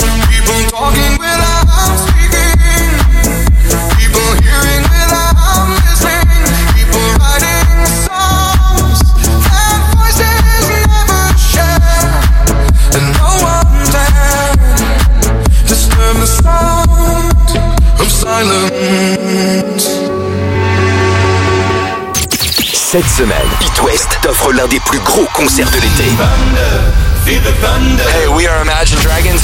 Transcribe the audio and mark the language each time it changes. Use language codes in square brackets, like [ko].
[en] people talking without speaking, people hearing without listening, people writing songs that voices never share, and no one dare disturb the sound of silence. [fr] Cette semaine, Pit West t'offre l'un des plus gros concerts de l'été. [en] Hey, we are Imagine Dragons.